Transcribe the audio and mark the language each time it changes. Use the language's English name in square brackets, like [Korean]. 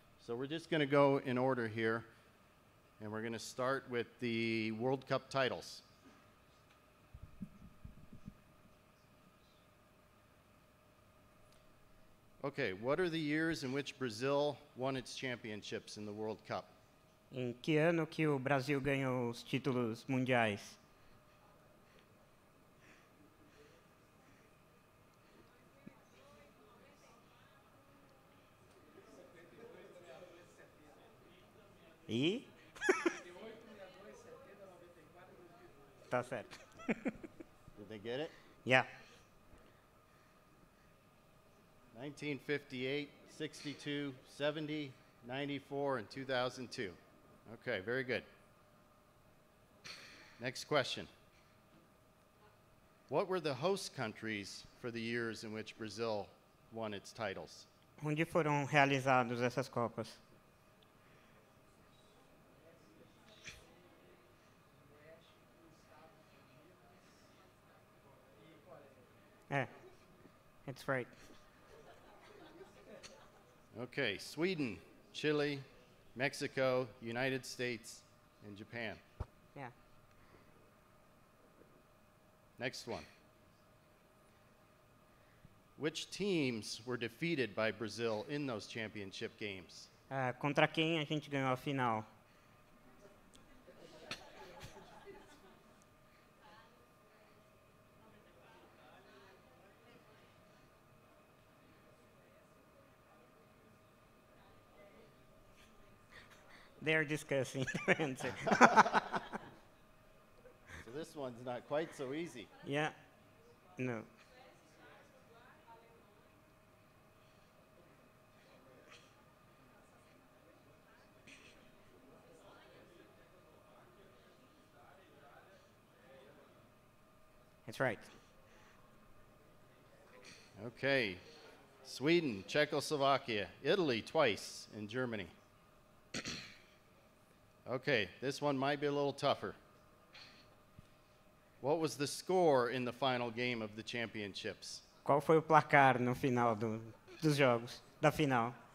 [English] So we're just going to go in order here, and we're going to start with the World Cup titles. Okay, what are the years in which Brazil won its championships in the World Cup? [Portuguese] Em que ano que o Brasil ganhou os títulos mundiais? E? Tá certo. [English] Did they get it? Yeah. 1958, 62, 70, 94, and 2002. Okay, very good. Next question. What were the host countries for the years in which Brazil won its titles? [Portuguese] Onde foram realizadas essas copas? [English] É, that's right. Okay, Sweden, Chile, Mexico, United States, and Japan. Yeah. Next one. Which teams were defeated by Brazil in those championship games? [Portuguese] Contra quem a gente ganhou a final? [English] They're discussing the answer. So this one's not quite so easy. Yeah. No. That's right. Okay. Sweden, Czechoslovakia, Italy twice, and Germany. Okay, this one might be a little tougher. What was the score in the final game of the championships? [Portuguese] Qual foi o placar no final dos jogos, da final?